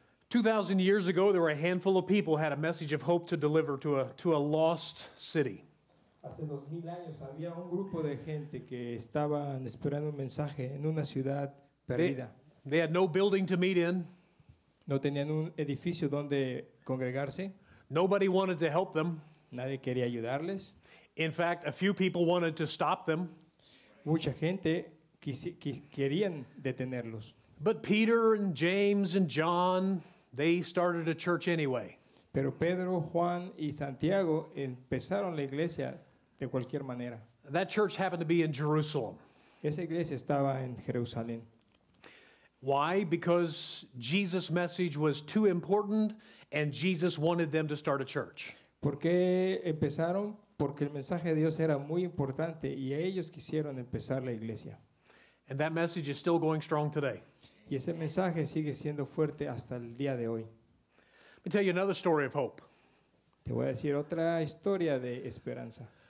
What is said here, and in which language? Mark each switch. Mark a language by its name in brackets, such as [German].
[English] 2,000 years ago, there were a handful of people who had a message of hope to deliver to a lost city. [Spanish] Hace 2,000 años había un grupo de gente que estaban esperando un mensaje en una ciudad perdida. [English] They had no building to meet in. [Spanish] No tenían un edificio donde congregarse. [English] Nobody wanted to help them. [Spanish] Nadie quería ayudarles. [English] In fact, a few people wanted to stop them. [Spanish] Mucha gente querían detenerlos. [English] But Peter and James and John, they started a church anyway. [Spanish] Pero Pedro, Juan y Santiago empezaron la iglesia de cualquier manera. [English] That church happened to be in Jerusalem. [Spanish] Esa iglesia estaba en Jerusalén. [English] Why? Because Jesus' message was too important and Jesus wanted them to start a church. [Spanish] ¿Por qué empezaron? Porque el mensaje de Dios era muy importante y ellos quisieron empezar la iglesia. [English] And that message is still going strong today. [Spanish] Y ese mensaje sigue siendo fuerte hasta el día de hoy. [English] Let me tell you another story of hope. [Spanish] Te voy a decir otra historia de esperanza.